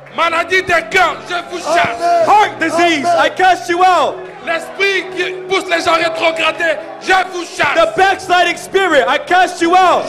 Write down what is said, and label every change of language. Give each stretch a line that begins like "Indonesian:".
French: Maladie de cœur, je vous chasse.
English: Heart disease, Amen. I cast you out.
French: L'esprit qui pousse les gens rétrogradés, je vous chasse.
English: The backsliding spirit, I cast you out.